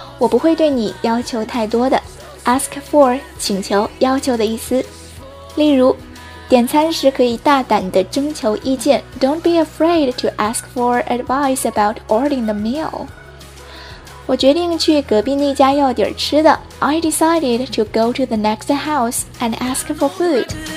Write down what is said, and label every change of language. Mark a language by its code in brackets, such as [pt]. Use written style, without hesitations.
[zh] 我不会对你要求太多的。Ask for 请求、要求的意思。例如，点餐时可以大胆地征求意见。 [en] Don't be afraid to ask for advice about ordering the meal. [zh] 我决定去隔壁那家要点吃的。 [en] I decided to go to the next house and ask for food.